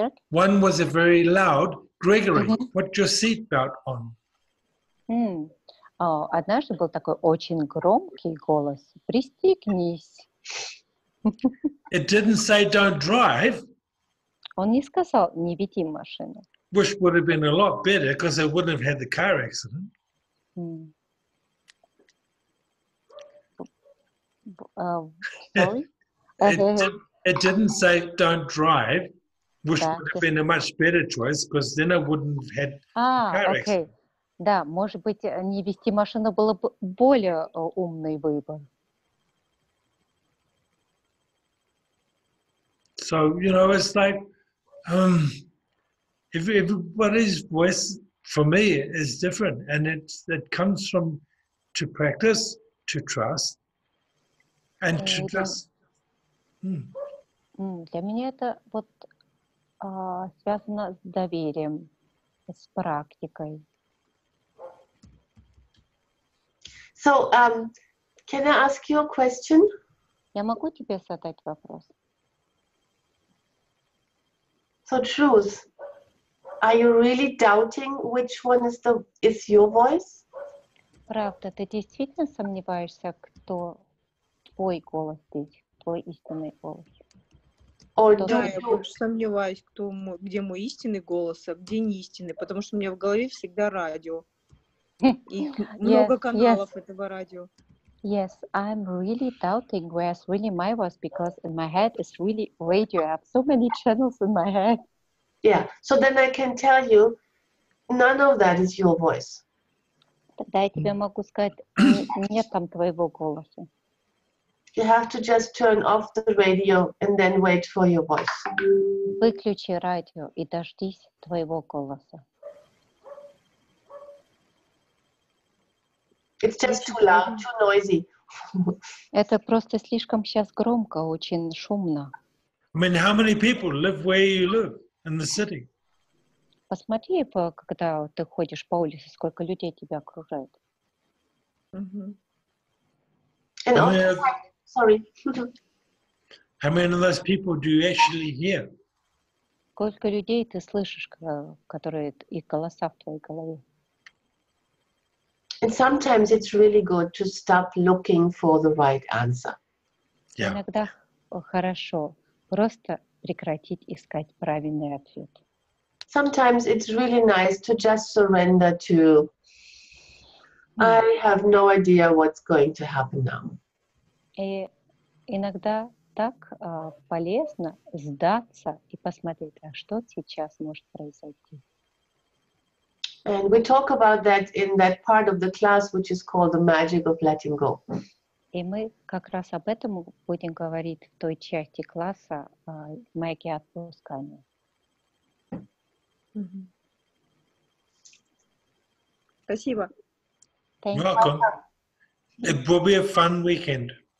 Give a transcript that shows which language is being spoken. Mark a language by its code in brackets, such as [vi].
[en] One was a very loud Gregory. Mm-hmm. Put your seatbelt on. [ru] Однажды был такой очень громкий голос. Пристегнись. [en] It didn't say don't drive. [ru] Он не сказал, не веди машину. [en] Which would have been a lot better because they wouldn't have had the car accident. Mm. Sorry? It didn't say don't drive, which would have been a much better choice because then I wouldn't have had car accident. [ru] Да, может быть, не вести машину было бы более умный выбор. [en] So, you know, it's like, if everybody's voice for me is different, and it comes from to practice, to trust, and to just... [ru] Для меня это вот связано с доверием, с практикой. [en] So, can I ask you a question? [ru] Я могу тебе задать вопрос? [en] So, truth, are you really doubting which one is your voice? [ru] Правда, ты действительно сомневаешься, кто твой голос здесь, твой истинный голос? Я сомневаюсь, где мой истинный голос, а где не истинный, потому что у меня в голове всегда радио. И много каналов этого радио. [en] Yes, I'm really doubting where's really my voice because in my head is really radio. I have so many channels in my head. Yeah, so then I can tell you none of that is your voice. [ru] Тогда я тебе могу сказать, нет там твоего голоса. [en] You have to just turn off the radio and then wait for your voice. [ru] Выключи радио и дождись твоего голоса. [en] It's just too loud, too noisy. [ru] Это просто слишком сейчас громко, очень шумно. [en] I mean, how many people live where you live in the city? [ru] Посмотри, когда ты ходишь по улице, сколько людей тебя окружает. [en] And sorry. How many of those people do you actually hear? [ru] Сколько людей ты слышишь, которые их голоса в твоей голове? [en] And sometimes it's really good to stop looking for the right answer. [ru] Иногда хорошо просто прекратить искать правильный ответ. [en] Sometimes it's really nice to just surrender to I have no idea what's going to happen now. [ru] И иногда так полезно сдаться и посмотреть, а что сейчас может произойти. [en] And we talk about that in that part of the class, which is called the magic of letting go. [ru] И мы как раз об этом будем говорить в той части класса магии отпускания. Спасибо. [en] Thank you. Welcome. It will be a fun weekend.